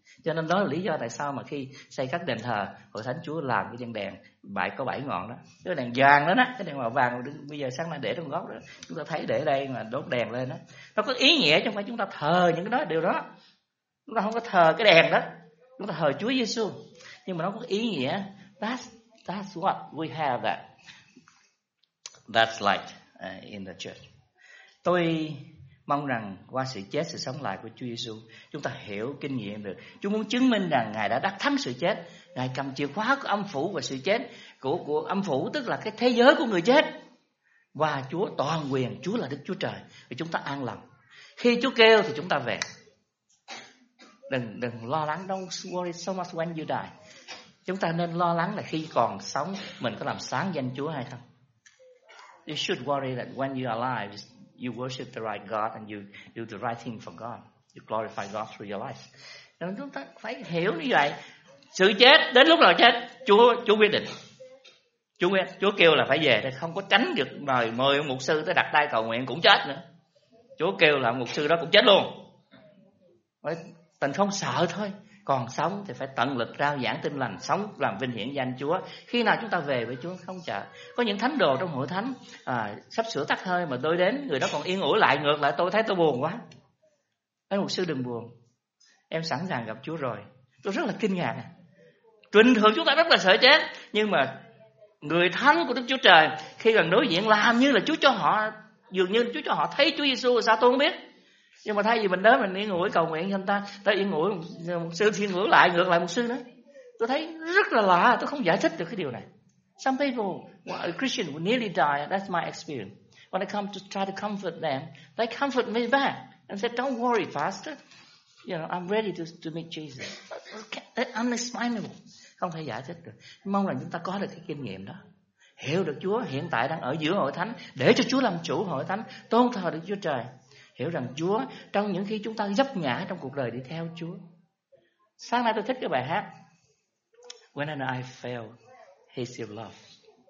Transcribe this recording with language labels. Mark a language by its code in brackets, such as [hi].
[vi] Cho nên đó là lý do tại sao mà khi xây các đền thờ hội thánh Chúa làm cái chân đèn bảy, có bảy ngọn đó, cái đèn vàng đó, cái đèn màu vàng bây giờ sáng nay để trong góc đó, chúng ta thấy để đây mà đốt đèn lên đó, nó có ý nghĩa trong cái chúng ta thờ những cái đó, điều đó. Chúng ta không có thờ cái đèn đó, chúng ta thờ Chúa Giêsu, nhưng mà nó có ý nghĩa. [en] That's what we have, that's light in the church. [vi] Tôi mong rằng qua sự chết sự sống lại của Chúa Giêsu, chúng ta hiểu kinh nghiệm được Chúa muốn chứng minh rằng Ngài đã đắc thắng sự chết. Ngài cầm chìa khóa của âm phủ và sự chết, của âm phủ tức là cái thế giới của người chết, và Chúa toàn quyền, Chúa là Đức Chúa Trời, thì chúng ta an lòng. Khi Chúa kêu thì chúng ta về. Đừng lo lắng, [en] don't worry so much when you die. [vi] Chúng ta nên lo lắng là khi còn sống mình có làm sáng danh Chúa hay không. [en] You should worry that when you are alive you worship the right God and you do the right thing for God. You glorify God through your life. [vi] Nên chúng ta phải hiểu như vậy. Sự chết, đến lúc nào chết, Chúa quyết định. Chúa kêu là phải về, không có tránh được mời mời mục sư tới đặt tay cầu nguyện cũng chết nữa. Chúa kêu là mục sư đó cũng chết luôn. Tình không sợ thôi. Còn sống thì phải tận lực rao giảng tin lành, sống làm vinh hiển danh Chúa. Khi nào chúng ta về với Chúa không chờ. Có những thánh đồ trong hội thánh sắp sửa tắt hơi mà tôi đến, người đó còn yên ủi lại ngược lại tôi, thấy tôi buồn quá. Ê mục sư đừng buồn, em sẵn sàng gặp Chúa rồi. Tôi rất là kinh ngạc. Bình thường chúng ta rất là sợ chết, nhưng mà người thánh của Đức Chúa Trời khi gần đối diện làm như là Chúa cho họ, dường như Chúa cho họ thấy Chúa Giêsu, sao tôi không biết. Nhưng mà thay vì mình đến mình yên ủi cầu nguyện cho người ta, ta yên ủi một sư thiên ngưỡng lại, ngược lại một sư nữa. Tôi thấy rất là lạ, tôi không giải thích được cái điều này. [en] Some people, a Christian who nearly died, that's my experience. When I come to try to comfort them, they comfort me back and said, don't worry, pastor. You know, I'm ready to meet Jesus. Unexplainable. [vi] Không thể giải thích được. Mong rằng chúng ta có được cái kinh nghiệm đó. Hiểu được Chúa hiện tại đang ở giữa hội thánh, để cho Chúa làm chủ hội thánh, tôn thờ được Chúa Trời. Hiểu rằng Chúa, trong những khi chúng ta vấp ngã trong cuộc đời đi theo Chúa. Sáng nay tôi thích cái bài hát [en] When I fail, He still loves.